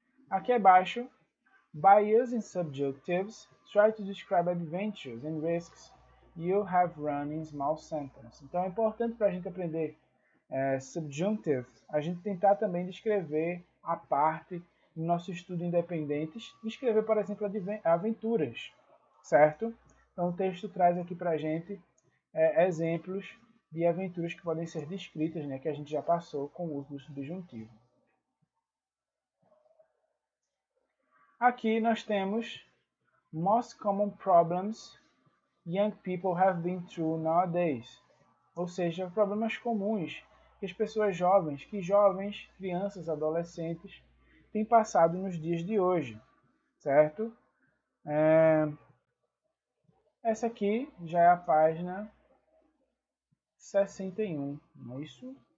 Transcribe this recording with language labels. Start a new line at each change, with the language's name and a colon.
Portuguese: Aqui abaixo,
English: by using subjunctives, try to describe adventures and risks you have run in small sentences.
Portuguese: Então, é importante para a gente aprender subjunctive, a gente tentar também descrever a parte do nosso estudo independentes, descrever, por exemplo, aventuras, certo? Então, o texto traz aqui para a gente exemplos de aventuras que podem ser descritas, né, que a gente já passou com o uso do subjuntivo. Aqui nós temos
English: most common problems young people have been through nowadays.
Portuguese: Ou seja, problemas comuns que as pessoas jovens, que jovens, crianças, adolescentes têm passado nos dias de hoje, certo? Essa aqui já é a página 61, não é isso?